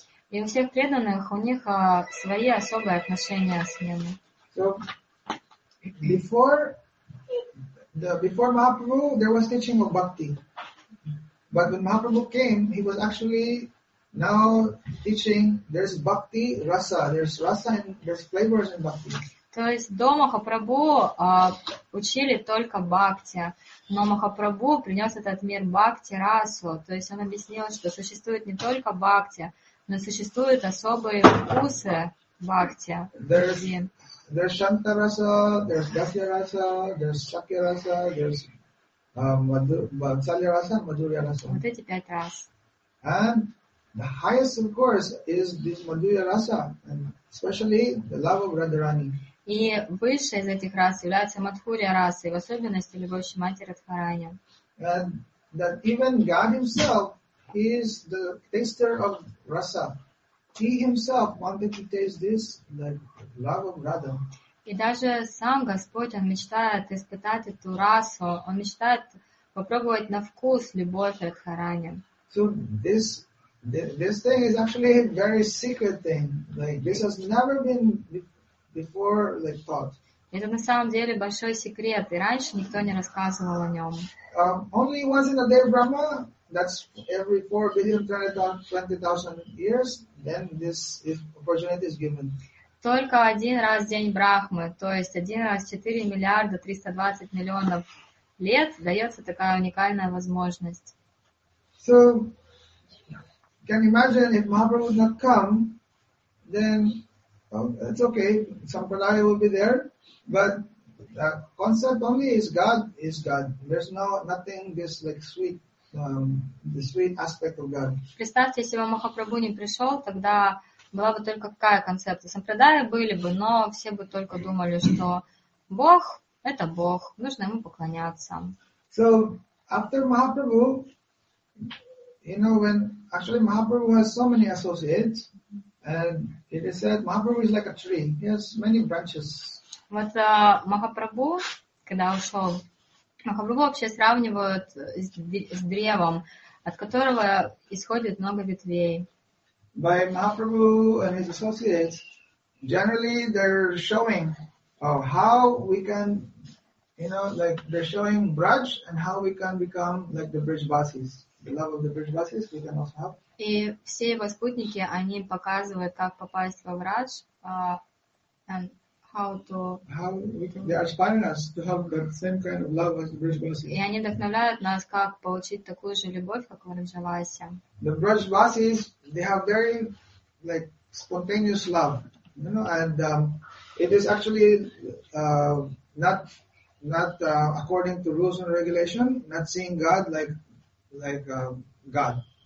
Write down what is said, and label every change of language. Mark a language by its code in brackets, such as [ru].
[ru] И у всех преданных у них свои особые отношения с ним. [en] So before Mahaprabhu, there was teaching of bhakti. But when Mahaprabhu came, he was actually now teaching. There's bhakti rasa. There's rasa and there's flavors in bhakti. [ru] То есть до Махапрабху учили только бхакти, но Махапрабху принес этот мир бхакти-расу. То есть он объяснил, что существует не только бхакти, но существуют особые вкусы бхакти. [en] There's Shantarasa, there's Gasya-rasa, there's Sakya-rasa, there's Vatsalya-rasa, Madhurya-rasa. [ru] Вот эти пять раз. [en] And the highest, of course, is this Madhurya-rasa, and especially the love of Radharani. [ru] И высшая из этих рас является Мадхурья раса, и в особенности любовь к матери Радхарани. [en] That even God himself is the taster of rasa. He himself wanted to taste this, the love of Radha. [ru] И даже сам Господь, он мечтает испытать эту расу, он мечтает попробовать на вкус любовь Радхарани. [en] So this thing is actually a very secret thing. This has never been before thought. [ru] Это на самом деле большой секрет, и раньше никто не рассказывал о нем. [en] Only once in a day of Brahma, that's every 4,320,000 years, then this opportunity is given. [ru] Только один раз в день Брахмы, то есть один раз 4,320,000,000 лет дается такая уникальная возможность. [en] So, can imagine if Mahaprabhu would not come, then it's okay, Sampradaya will be there, but the concept only is God is God. There's nothing this sweet, the sweet aspect of God. [ru] Представьте, если бы Махапрабху не пришел, тогда была бы только какая концепция? Сампрадаи были бы, но все бы только думали, что Бог — это Бог, нужно Ему поклоняться. [en] So, after Mahaprabhu, you know, when actually Mahaprabhu has so many associates, and it is said Mahaprabhu is like a tree. He has many branches. [ru] Вот Махапрабху, когда ушел, Махапрабху вообще сравнивают с древом, от которого исходит много ветвей. [en] By Mahaprabhu and his associates, generally they're showing how we can, you know, like they're showing Braj and how we can become like the Brajvasis. The love of the Brajvasis we can also have. [ru] И все его спутники, они показывают, как попасть во Врадж, [en] and how to... How we can, they are inspiring us to have the same kind of love as the Brajvasis. [ru] И они вдохновляют нас, как получить такую же любовь, как в Раджавасе. [en] The Brajvasis, they have very, like, spontaneous love, you know, and it is actually not according to rules and regulation, not seeing God like God.